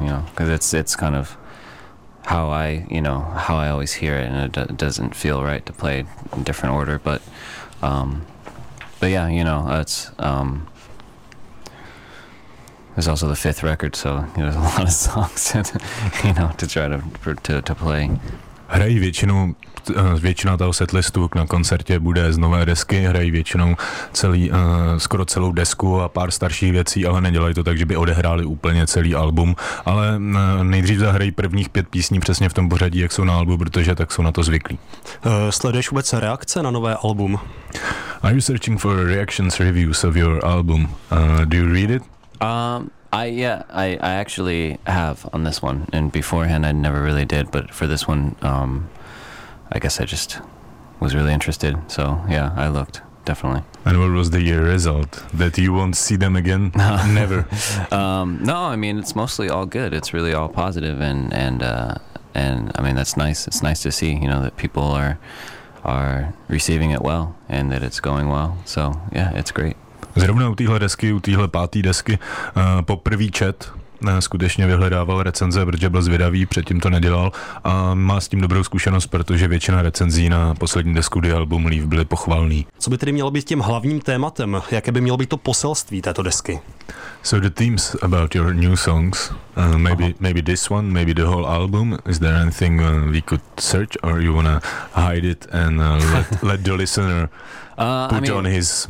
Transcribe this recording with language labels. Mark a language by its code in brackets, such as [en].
[en] You know, because it's kind of how I always hear it, and it doesn't feel right to play in different order, but. But yeah, you know, it's also the 5th record, so there's a lot of songs to try to play. [cs] Hrají většinou, většina toho setlistu na koncertě bude z nové desky, hrají většinou skoro celou desku a pár starších věcí, ale nedělají to tak, že by odehráli úplně celý album, ale nejdřív zahrají prvních 5 písní přesně v tom pořadí, jak jsou na albu, protože tak jsou na to zvyklí. Sleduješ vůbec reakce na nové album? [en] Are you searching for reactions reviews of your album? Do you read it? I actually have on this one, and beforehand I never really did, but for this one, I guess I just was really interested, so yeah, I looked, definitely. And what was the result? That you won't see them again? Never. No, I mean, it's mostly all good, it's really all positive, and I mean, that's nice, it's nice to see, you know, that people are receiving it well, and that it's going well, so yeah, it's great. [cs] Zrovna u téhle desky, u téhle 5. desky, poprvý čet skutečně vyhledával recenze, protože byl zvědavý, předtím to nedělal a má s tím dobrou zkušenost, protože většina recenzí na poslední desku The Album Leaf byly pochvalný. Co by tedy mělo být tím hlavním tématem? Jaké by mělo být to poselství této desky? [en] So the themes about your new songs, maybe this one, maybe the whole album, is there anything we could search or you wanna hide it and let the listener put on his...